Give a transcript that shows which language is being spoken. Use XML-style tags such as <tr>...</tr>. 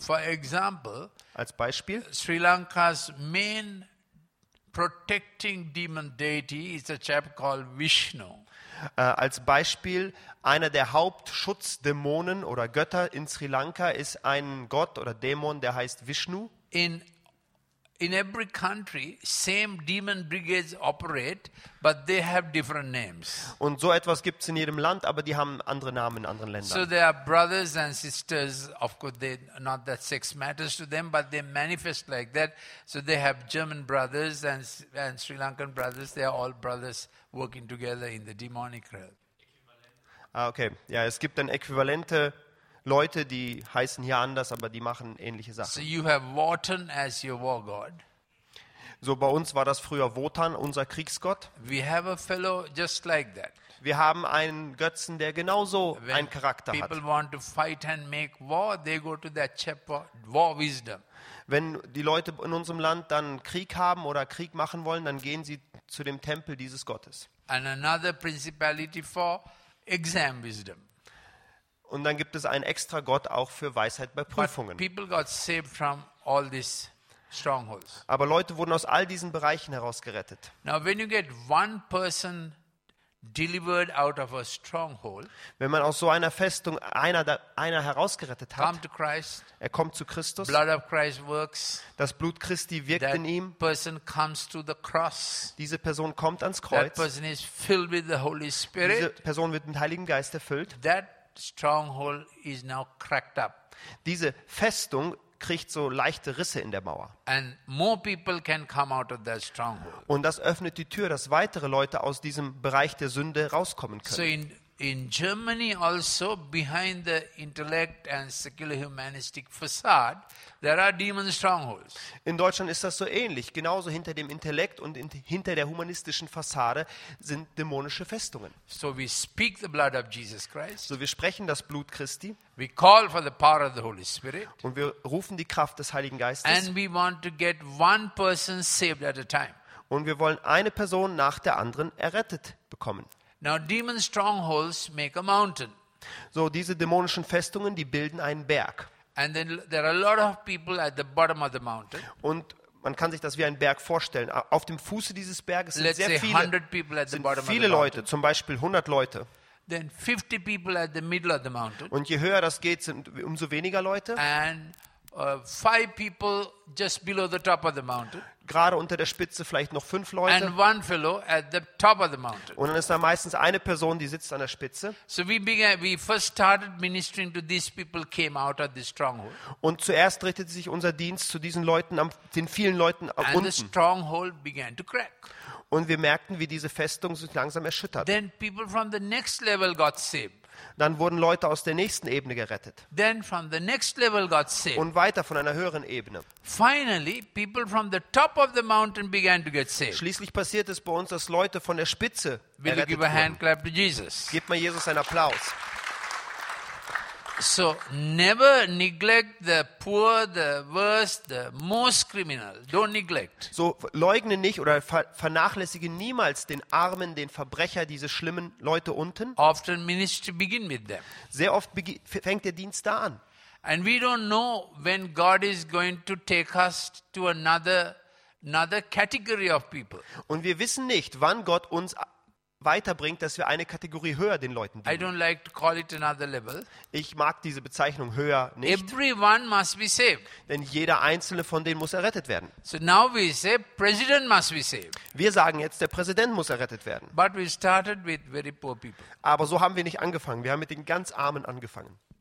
<en>For example,</en> <de>als Beispiel,</de> <en>Sri Lankas main protecting demon deity is a chap called Vishnu.</en> <de>Als Beispiel, einer der Hauptschutzdämonen oder Götter in Sri Lanka ist ein Gott oder Dämon, der heißt Vishnu.</de> <en>In every country, same demon brigades operate, but they have different names.</en> <de>Und so etwas gibt's in jedem Land, aber die haben andere Namen in anderen Ländern.</de> <en>So they are brothers and sisters. Of course, they not that sex matters to them, but they manifest like that. So they have German brothers and Sri Lankan brothers. They are all brothers working together in the demonic realm. Ah, okay.</en> <de>Ja, es gibt dann äquivalente Leute, die heißen hier anders, aber die machen ähnliche Sachen.</de> <en>So you have Wotan as your war god.</en> <de>So bei uns war das früher Wotan, unser Kriegsgott.</de> <en>We have a fellow just like that.</en> <de>Wir haben einen Götzen, der genauso</de> <en>when</en> <de>einen Charakter</de> <en>people</en> <de>hat.</de> <en>Want to fight and make war, they go to that chapter, war wisdom.</en> <de>Wenn die Leute in unserem Land dann Krieg haben oder Krieg machen wollen, dann gehen sie zu dem Tempel dieses Gottes.</de> <en>And another principality for exam wisdom.</en> <de>Und dann gibt es einen extra Gott auch für Weisheit bei Prüfungen.</de> <en>But people got saved from all these strongholds.</en> <de>Aber Leute wurden aus all diesen Bereichen herausgerettet.</de> <en>Now when you get one person delivered out of a stronghold,</en> <de>wenn man aus so einer Festung einer herausgerettet hat,</de> <en>come to Christ,</en> <de>er kommt zu Christus,</de> <en>blood of Christ works,</en> <de>das Blut Christi wirkt</de> <en>that</en> <de>in ihm,</de> <en>person comes to the cross,</en> <de>diese Person kommt ans Kreuz,</de> <en>that person is filled with the Holy Spirit,</en> <de>diese Person wird mit dem Heiligen Geist erfüllt,</de> <en>that stronghold is now cracked up.</en> <de>Diese Festung kriegt so leichte Risse in der Mauer.</de> <en>And more people can come out of that stronghold.</en> <de>Und das öffnet die Tür, dass weitere Leute aus diesem Bereich der Sünde rauskommen können.</de> <en>So in Germany also behind the intellect and secular humanistic facade there are demon strongholds.</en> <de>In Deutschland ist das so ähnlich, genauso hinter dem Intellekt und hinter der humanistischen Fassade sind dämonische Festungen.</de> <en>So we speak the blood of Jesus Christ.</en> <de>So wir sprechen das Blut Christi.</de> <en>We call for the power of the Holy Spirit.</en> <de>Und wir rufen die Kraft des Heiligen Geistes.</de> <en>And we want to get one person saved at a time.</en> <de>Und wir wollen eine Person nach der anderen errettet bekommen.</de> <en>Now demon strongholds make a mountain.</en> <de>So diese dämonischen Festungen, die bilden einen Berg.</de> <en>And then there are a lot of people at the bottom of the mountain.</en> <de>Und man kann sich das wie einen Berg vorstellen. Auf dem Fuße dieses Berges sind</de> <en>let's</en> <de>sehr</de> <en>say</en> <de>viele</de> <en>100 people at the bottom</en> <de>viele</de> <en>of the</en> <de>Leute, zum Beispiel 100 Leute.</de> <en>Then 50 people at the middle of the mountain.</en> <de>Und je höher das geht, sind umso weniger Leute.</de> <en>And 5 people just below the top of the mountain.</en> <de>Gerade unter der Spitze vielleicht noch 5 Leute.</de> <en>And one fellow at the top of the mountain.</en> <de>Und dann ist da meistens eine Person, die sitzt an der Spitze.</de> <en>So we first started ministering to these people came out of the stronghold.</en> <de>Und zuerst richtete sich unser Dienst zu diesen Leuten, den vielen Leuten</de> <en>and</en> <de>unten.</de> <en>The stronghold began to crack.</en> <de>Und wir merkten, wie diese Festung sich langsam erschüttert.</de> <en>Then people from the next level got saved.</en> <de>Dann wurden Leute aus der nächsten Ebene gerettet.</de> <en>Then from the next level got saved.</en> <de>Und weiter von einer höheren Ebene.</de> <en>Finally, people from the top of the mountain began to get saved.</en> <de>Schließlich passiert es bei uns, dass Leute von der Spitze</de> <en>will</en> <de>errettet</de> <en>give a</en> <de>wurden.</de> <en>Hand clap to Jesus.</en> <de>Gib mal Jesus einen Applaus.</de> <en>So never neglect the poor, the worst, the most criminal. Don't neglect.</en> <de>So leugne nicht oder vernachlässige niemals den Armen, den Verbrecher, diese schlimmen Leute unten.</de> <en>Often ministry begin with them.</en> <de>Sehr oft fängt der Dienst da an.</de> <en>And we don't know when God is going to take us to another category of people.</en> <de>Und wir wissen nicht, wann Gott uns weiterbringt, dass wir eine Kategorie höher den Leuten dienen.</de> <en>I don't like to call it another level.</en> <de>Ich mag diese Bezeichnung höher nicht.</de> <en>Everyone must be saved.</en> <de>Denn jeder einzelne von denen muss errettet werden.</de> <en>So now we say president must be saved.</en> <de>Wir sagen jetzt, der Präsident muss errettet werden.</de> <en>But we started with very poor people.</en> <de>Aber so haben wir nicht angefangen. Wir haben mit den ganz Armen angefangen.</de>